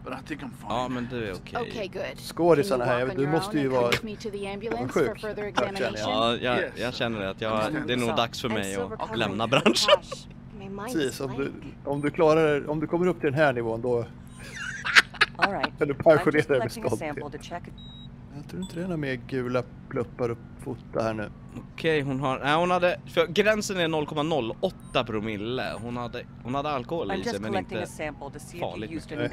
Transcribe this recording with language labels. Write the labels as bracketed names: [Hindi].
[English] But I think I'm fine. [Swedish] Ja, men det är okej. [English] Okay, good. [Swedish] Skådisarna här, du måste ju vara sjuk. Ja, jag känner det. Det är nog dags för mig att lämna branschen. Precis, om du kommer upp till den här nivån då... [English] All right. I'm just collecting a sample to check. [Swedish] Jag tror inte det är några mer gula pluppar och fota här nu. Okej, hon har... Nej, hon hade... För gränsen är 0,08 promille. Hon hade alkohol i sig, men inte farligt.